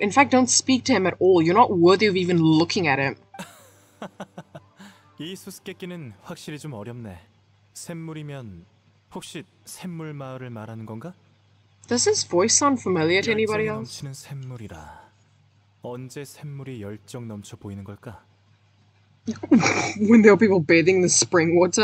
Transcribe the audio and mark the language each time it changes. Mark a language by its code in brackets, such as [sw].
[en] In fact, don't speak to him at all. You're not worthy of even looking at him. [ko] 이 수수께끼는 확실히 좀 어렵네. 샘물이면 혹시 샘물 마을을 말하는 건가? [en] Does his voice sound familiar to anybody else? [ko] 넘치는 샘물이라 언제 샘물이 열정 넘쳐 보이는 걸까? [en] When there are people bathing in the spring water?